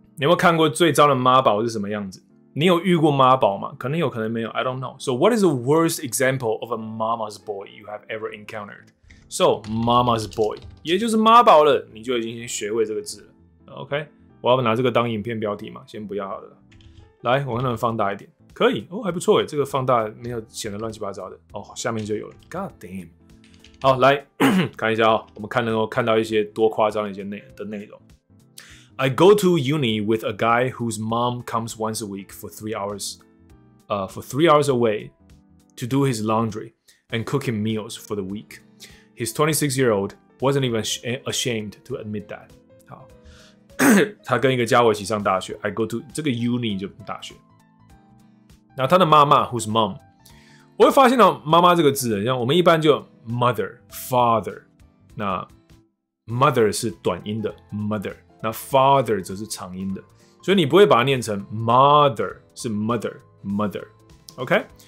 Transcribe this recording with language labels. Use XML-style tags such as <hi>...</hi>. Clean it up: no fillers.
<zh>你有没有看过最糟的妈宝是什么样子？你有遇过妈宝吗？可能有可能没有，</zh> <en>I don't know. So what is the worst example of a mama's boy you have ever encountered? So mama's boy</en> <zh>也就是妈宝了，你就已经先学会这个字了。 OK， 我要拿这个当影片标题嘛，先不要好了。来，我看能不能放大一点，可以哦，还不错耶，这个放大没有显得乱七八糟的哦，下面就有了。</zh> <en>God damn。</en> <zh>好，来看一下哦，我们看能够看到一些多夸张的一些内容。</zh> <en>I go to uni with a guy whose mom comes once a week for three hours away to do his laundry and cook him meals for the week. His 26-year-old wasn't even ashamed to admit that.</en> <zh>好，他跟一个家伙一起上大学。</zh> <en>I go to</en> <zh>这个 uni 就大学。那他的妈妈</zh> <en>whose mom，</en> <zh>我会发现到妈妈这个字，像我们一般就。</zh> <en>Mother, father，</en> <zh>那 mother 是短音的 mother， 那 father 则是长音的，所以你不会把它念成 mother， 是 mother，OK？、Okay?</zh>